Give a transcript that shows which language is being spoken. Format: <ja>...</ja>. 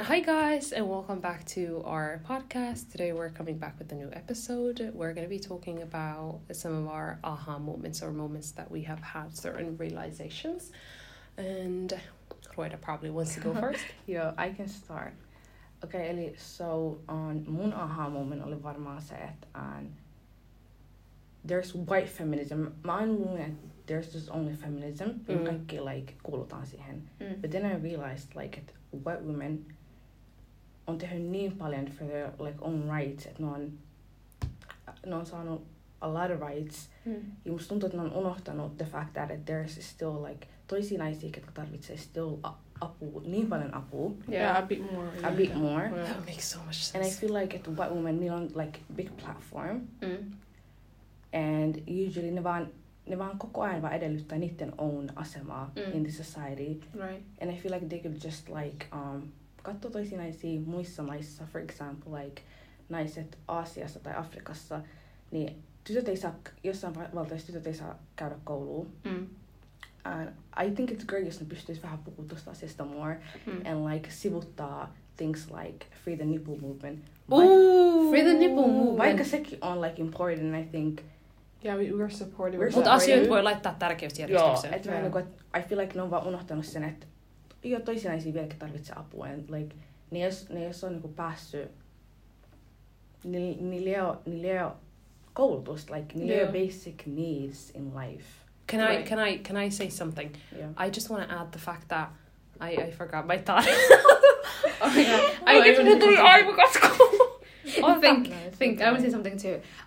<en>Hi guys, and welcome back to our podcast. Today we're coming back with a new episode. We're going to be talking about some of our aha moments or moments that we have had certain realizations. And Rueda probably wants to go first. Yeah, I can start.</en> <fi>Okay, eli so on mun aha moment oli varmaan se, että</fi> <en>there's white feminism.</en> <fi>Mä oon luulen, että</fi> <en>there's just only feminism.</en> <fi>Mm. Kaikki like kuulutaan siihen. Mm.</fi> <en>But then I realized like white women</en> <fi>on tehnyt niin paljon</fi> <en>for their like own rights,</en> <fi>että ne on saanut</fi> <en>a lot of rights. Mm.</en> <fi>Ja musta tuntuu, että ne on unohtanut</fi> <en>the fact that there's still like</en> <fi>toisia naisia, jotka tarvitsee still apua, niin paljon apua.</fi> <en>Yeah, a bit more. A bit more. Yeah. That makes so much sense. And I feel like it's white women,</en> <fi>niillä on</fi> <en>like big platform. Mm. And usually</en> <fi>ne vaan koko ajan vaan edellyttää niiden own asemaa mm.</fi> <en>in the society. Right. And I feel like they could just like</en> <fi>katso toisia naisia muissa maissa,</fi> <en>for example,</en> <fi>like naiset Aasiassa tai Afrikassa, niin tytöt ei saa, jossain valtioissa tytöt ei saa käydä kouluun. Mm.</fi> <en>And I think it's great,</en> <fi>jos ne pystyis vähän puhua tosta asiasta more, mm.</fi> <en>and like</en> <fi>sivuttaa</fi> <en>things like free the nipple movement. Free the nipple movement!</en> <fi>Vaikka sekin on</fi> <en>like important, I think. Yeah, we're supportive.</en> <fi>Mutta asioita voi laittaa tärkeysjärjestykseen. Joo, että</fi> <en>I feel like</en> <fi>ne on vaan unohtanut sen, että joo, toisia naisia vieläkin tarvitsee apua, and like, ne jos on niinku päässyt, niillä ei ole koulutus, like, niillä ei ole</fi> <en>basic needs in life. Can I say something? Yeah. I just want to add the fact that, I forgot my thought. Okay. Yeah. I literally aivokasko. I think I want to say something too.</en>